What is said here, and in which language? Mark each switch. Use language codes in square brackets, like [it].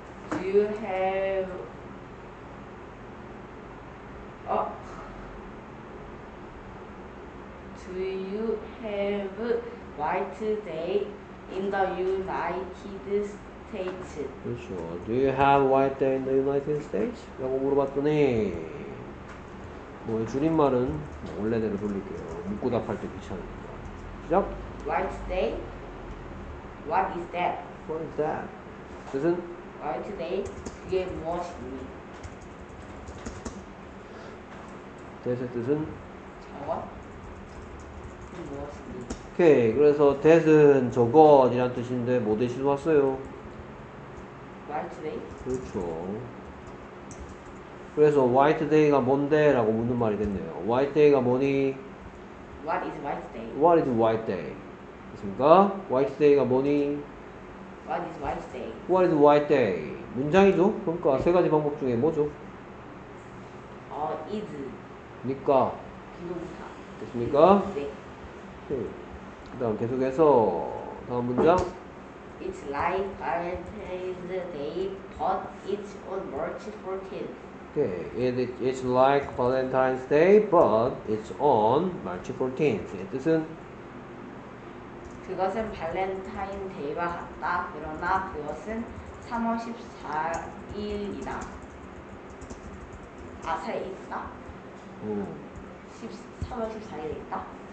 [en] Do you have Do you have white day in the United States? [ko] 그렇죠. [en] Do you have white day in the United States? [ko] 라고 물어봤더니 뭐 줄임말은 원래대로 돌릴게요. 묻고 답할 때 귀찮으니까. 시작! [en] White day? What is that? What is that? [ko] 뜻은? White day? 그게 무엇이니? 대세 뜻은? 저거? 오케이. 그래서 that은 저것이란 뜻인데 뭐 대신 왔어요? [en] White day? [ko] 그렇죠. 그래서 white day가 뭔데? 라고 묻는 말이 됐네요. White day가 뭐니? [en] What is white day? What is white day? [ko] 그렇습니까? [en] White day가 뭐니? What is white day? What is white day? [ko] 문장이죠? 그러니까 세 가지 방법 중에 뭐죠? [en] Is [ko] 니까? 비동사 됐습니까? 네. 그 다음 계속해서 다음 문장 [en] It's like Valentine's Day but it's on March 14th. Okay. It's like Valentine's Day but it's on March 14th. [ko] 이 뜻은? 그것은 발렌타인 데이와 같다. 그러나 그것은 3월 14일이다. 아세 있다? 3월 14일에 있다?